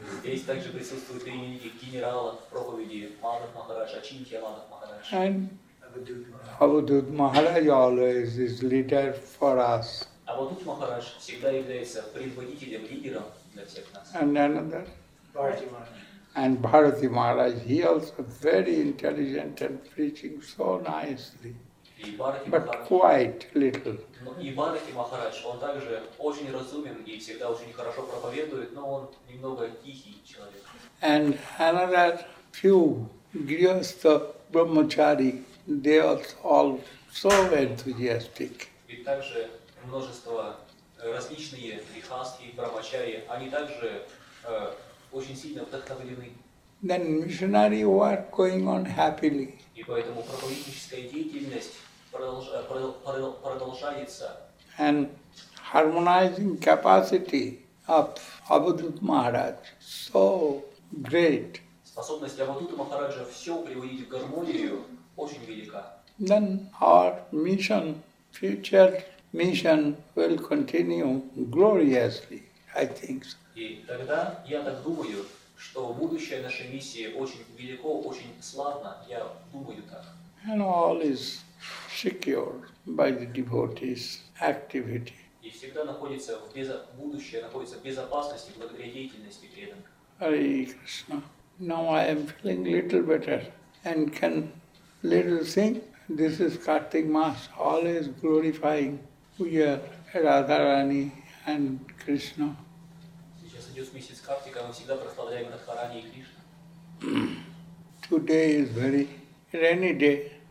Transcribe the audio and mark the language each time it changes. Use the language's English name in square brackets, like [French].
[Russian] Здесь также присутствуют три генерала в проповеди. [English] Madhav Maharaj, Achinta Madhav Maharaj. And Avadhut Maharaj always is leader for us. [Russian] Avadhut Maharaj всегда является предводителем, лидером для всех нас. [English] And another? Bharati Maharaj. And Bharati Maharaj, he also very intelligent and preaching so nicely. But quite little. [Russian] И Bharati Maharaj, он также очень разумен и всегда очень хорошо проповедует, но он немного тихий человек. [English] And another few, Grihastha Brahmachari, they are all so enthusiastic. [Russian] И также множество различные грихасты, брамачари, они также очень сильно вдохновлены. [English] Then missionary work going on happily. [Russian] И поэтому проповедническая деятельность продолжается. [English] And harmonizing capacity of Avadhut Maharaj so great. [Russian] Способность Авадута Махараджа все приводить в гармонию. [English] Then our mission, future mission, will continue gloriously, I think. [Russian] И тогда я так думаю, что будущее нашей миссии очень велико, очень славно. Я думаю так. [English] And all is secured by the devotees' activity. [Russian] И всегда находится в будущее находится в безопасности благодаря деятельности преданных. [English] Hare Krishna. Now I am feeling little better and can. Little thing, this is Kartik Mas, always glorifying Puja, Radharani and Krishna. Today is very rainy day.